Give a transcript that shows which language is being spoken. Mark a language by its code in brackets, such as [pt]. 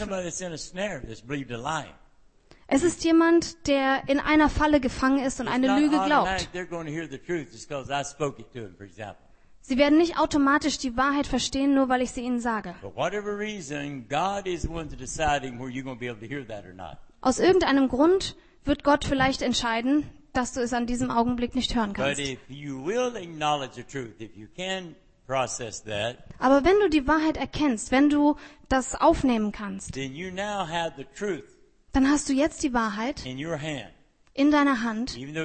[en] Somebody that's in a snare that's believed a lie. [de] Es ist jemand, der in einer Falle gefangen ist und eine Lüge glaubt. [en] They're going to hear the truth just because I spoke it to them, for example. [de] Sie werden nicht automatisch die Wahrheit verstehen, nur weil ich sie ihnen sage. [en] For whatever reason, God is the one to deciding whether you're going to be able to hear that or not. [de] Aus irgendeinem Grund wird Gott vielleicht entscheiden, dass du es an diesem Augenblick nicht hören kannst. Aber wenn du die Wahrheit erkennst, wenn du das aufnehmen kannst, dann hast du jetzt die Wahrheit in deiner Hand,